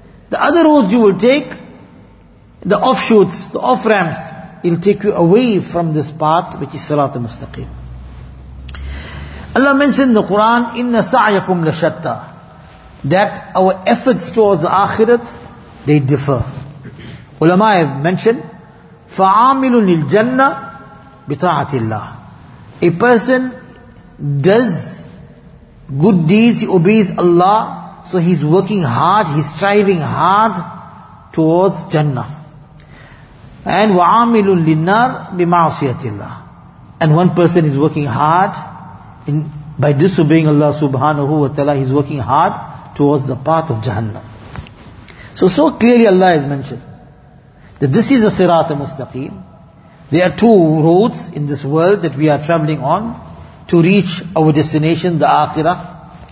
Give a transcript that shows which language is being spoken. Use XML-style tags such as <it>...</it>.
<en>The other roads you will take, the offshoots, the off-ramps, it will take you away from this path, which is sirat al-mustaqim. Allah mentioned in the Quran,</en> <ar>إِنَّ سَعْيَكُمْ لَشَتَّى,</ar> <en>that our efforts towards the akhirat, they differ. Ulama have mentioned,</en> <ar>فَعَامِلٌ لِلْجَنَّةِ بِطَاعَةِ اللَّهِ.</ar> <en>A person does good deeds, he obeys Allah, so he's working hard, he's striving hard towards Jannah. And</en> <ar>وَعَامِلٌ لِلْنَّارِ بِمَعْصِيَةِ اللَّهِ.</ar> <en>And one person is working hard in by disobeying Allah subhanahu wa ta'ala, he's working hard towards the path of Jahannam. So clearly Allah has mentioned that this is a sirat al-mustaqim. There are two roads in this world that we are traveling on to reach our destination, the akhirah.</en>